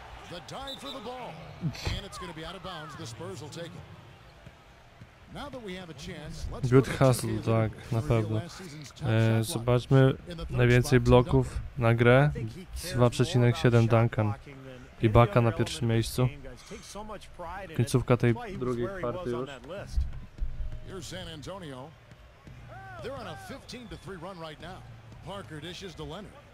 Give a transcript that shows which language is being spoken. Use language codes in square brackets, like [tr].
[en] The dive for the ball, and it's going to be out of bounds. The Spurs will take it. Now that we have a chance, let's good hustle, [pl] tak, na pewno. Zobaczmy najwięcej bloków na grę. 2,7 Duncan. Ibaka na pierwszym miejscu. Końcówka tej drugiej kwarty już. [en] Here's San Antonio. They're on a 15-3 run right now. Parker dishes to Leonard.